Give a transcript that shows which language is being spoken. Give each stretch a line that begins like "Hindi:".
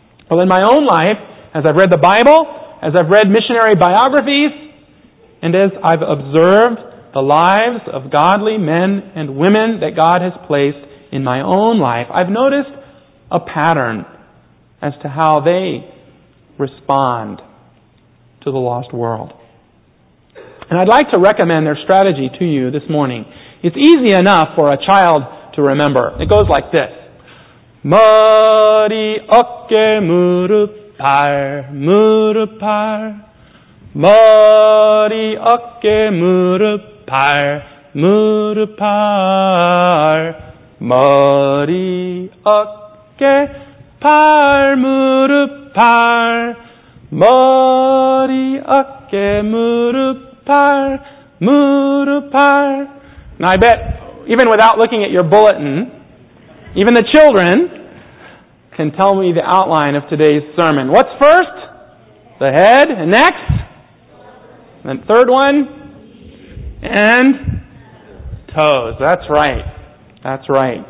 English: Well, in my own life, as I've read the Bible, as I've read missionary biographies, and as I've observed the lives of godly men and women that God has placed in my own life, I've noticed a pattern as to how they respond to the lost world. And I'd like to recommend their strategy to you this morning. It's easy enough for a child to remember. It goes like this.
Korean: 머리, 어깨, 무릎, 발, 무릎, 발. 머리, 어깨, 무릎, 발, 무릎, 발. 머리, 어깨, 발, 무릎, 발. 머리, 어깨, 무릎, 발, 무릎, 발.
English: Now I bet, even without looking at your bulletin, even the children can tell me the outline of today's sermon. What's first? The head. And next? And third one? And toes. That's right. That's right.